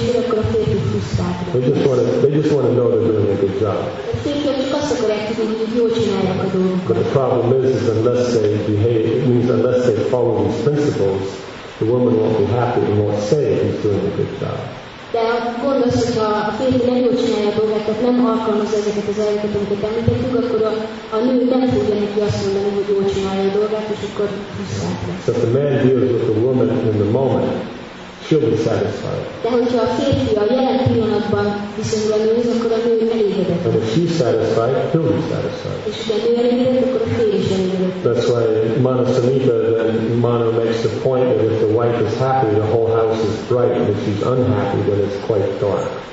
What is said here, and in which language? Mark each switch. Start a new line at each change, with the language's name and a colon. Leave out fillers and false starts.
English: They just want to know they're doing a good job. But the problem is unless they behave, it means unless they follow these principles, the woman won't be happy and won't say he's doing a good job.
Hungarian: De akkor az, hogyha a férfi nem jól csinálja a dolgokat, nem alkalmazza ezeket az elveket, amiket említettünk, akkor a nő nem fogja neki azt mondani, hogy jól csinálja a dolgát, és akkor visszaállt.
English: So the man deals with the woman in the moment, she'll be satisfied.
Hungarian: De hogyha a férfi a jelen pillanatban viszonyul a nőhöz, akkor a nő elégedett.
English: And if she's satisfied, he'll be satisfied.
Hungarian: És hogyha a nő elégedett, akkor a férfi is elégedett.
English: That's why Manasamita, then Mano makes the point that if the wife is happy, the whole house is bright, and if she's unhappy, then it's quite dark.